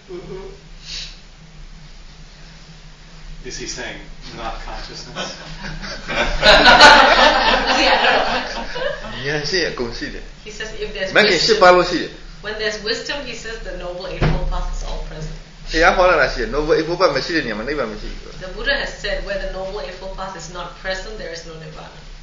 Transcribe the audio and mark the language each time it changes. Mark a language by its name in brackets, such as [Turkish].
[English] Mm-hmm. Is he saying not consciousness? Yeah, I don't know. He says if there's wisdom, when there's wisdom, he says the Noble Eightfold Path is all present. [Burmese] ဘုရားဟောတာရှိတယ် Noble Eightfold Path မရှိတဲ့နေရာမှာနိဗ္ဗာန်မရှိဘူး [English] The Buddha has said where the Noble Eightfold Path is not present there is no Nirvana.